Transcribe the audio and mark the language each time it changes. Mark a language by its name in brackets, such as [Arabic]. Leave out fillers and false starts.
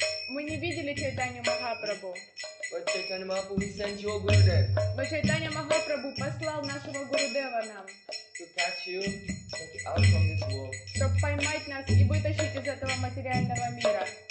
[Russian] Мы не видели Чайтанью Махапрабху. [English] Lord Chaitanya Mahaprabhu, he sent you a Gurudev. [Russian] Lord Chaitanya Mahaprabhu послал нашего Гурудева нам. [English] To catch you, take you out from this world. [Russian] Чтобы поймать нас и вытащить из этого материального мира.